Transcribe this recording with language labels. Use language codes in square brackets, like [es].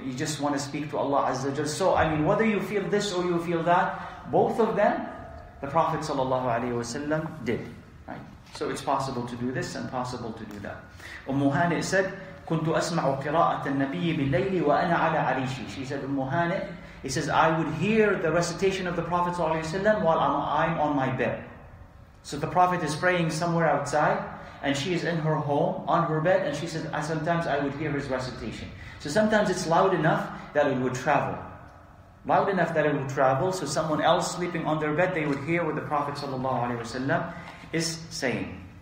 [en] You just want to speak to Allah Azza wa Jalla. So, I mean, whether you feel this or you feel that, both of them, the Prophet sallallahu alaihi wasallam did. Right? So it's possible to do this and possible to do that. Ummu Hani said, [ar] كُنْتُ أَسْمَعُ قِرَاءَةَ النَّبِيِّ بِاللَّيْلِ وَأَنَا عَلَى عَرِيشِ. [en] She said, Ummu Hani, he says, I would hear the recitation of the Prophet sallallahu alaihi wasallam while I'm on my bed. So the Prophet is praying somewhere outside, and she is in her home, on her bed, and she said, sometimes I would hear his recitation. So sometimes it's loud enough that it would travel. Loud enough that it would travel, so someone else sleeping on their bed, they would hear what the Prophet ﷺ is saying.